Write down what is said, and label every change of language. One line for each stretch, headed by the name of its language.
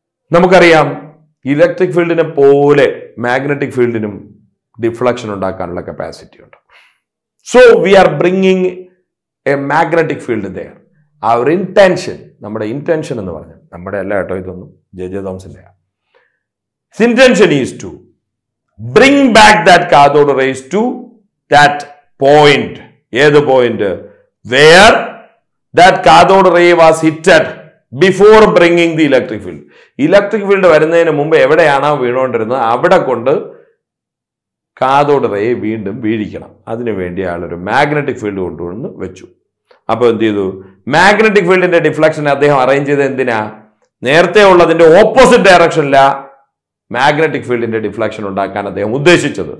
Malayalam: നമുക്കറിയാം ഇലക്ട്രിക് ഫീൽഡിനെ പോലെ മാഗ്നറ്റിക് ഫീൽഡിനും ഡിഫ്ലക്ഷൻ ഉണ്ടാക്കാനുള്ള കപ്പാസിറ്റി ഉണ്ട്.
English: So we are bringing a magnetic field there.
Malayalam: Our intention, നമ്മുടെ ഇൻറ്റൻഷൻ എന്ന് പറഞ്ഞാൽ നമ്മുടെ അല്ല കേട്ടോ, ഇതൊന്നും ജെ.ജെ.
English: തോംസന്റെ intention is to bring back that cathode rays to that point.
Malayalam: ഏത്
English: point? Where that cathode ray was hit at before bringing the electric field.
Malayalam: Electric field വരുന്നതിന് മുമ്പ് എവിടെയാണ് വീണുകൊണ്ടിരുന്നത്, അവിടെ കൊണ്ട് കാഥോഡ് റേ വീണ്ടും വീഴിക്കണം. അതിനുവേണ്ടി അയാളൊരു മാഗ്നറ്റിക് ഫീൽഡ് കൊണ്ടുവന്ന് വെച്ചു. അപ്പോൾ എന്ത് ചെയ്തു, മാഗ്നറ്റിക് ഫീൽഡിൻ്റെ ഡിഫ്ലക്ഷൻ അദ്ദേഹം അറേഞ്ച് ചെയ്ത് എന്തിനാ, നേരത്തെ ഉള്ളതിൻ്റെ ഓപ്പോസിറ്റ് ഡയറക്ഷനിലാണ് മാഗ്നറ്റിക് ഫീൽഡിൻ്റെ ഡിഫ്ലക്ഷൻ ഉണ്ടാക്കാൻ അദ്ദേഹം ഉദ്ദേശിച്ചത്.